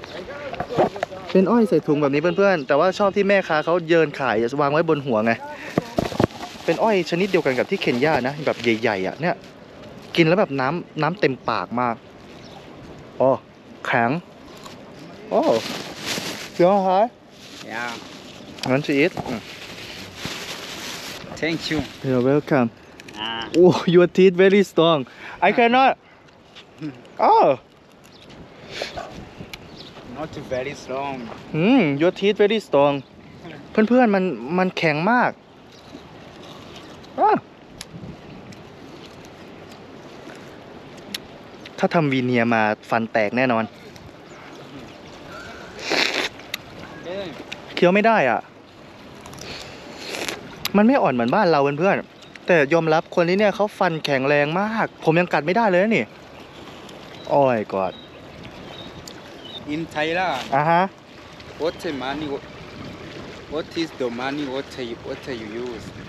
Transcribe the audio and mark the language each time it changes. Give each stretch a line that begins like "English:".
Thai: โอเคเป็นอ้อยใส่ถุงแบบนี้เพื่อนๆแต่ว่าชอบที่แม่ค้าเขาเยินขายวางไว้บนหัวไงเป็นอ้อยชนิดเดียวกันกับที่เคนยานะแบบใหญ่ๆอ่ะเนี่ยกินแล้วแบบน้ำเต็มปากมากโอ้แข็งโอ้ยังไงฮะ ยัง
English: want to eat thank you you're welcome oh your teeth very strong I cannot oh not very strong your teeth very strong
Thai: เพื่อนๆมันแข็งมากถ้าทำวีเนียมาฟันแตกแน่นอนเคี้ยวไม่ได้อ่ะมันไม่อ่อนเหมือนบ้านเราเพื่อนๆแต่ยอมรับคนนี้เนี่ยเขาฟันแข็งแรงมากผมยังกัดไม่ได้เลยนี่อ้อยกอด อินไทยล่ะ อ่ะฮะ
English: What is money What is the money What are you use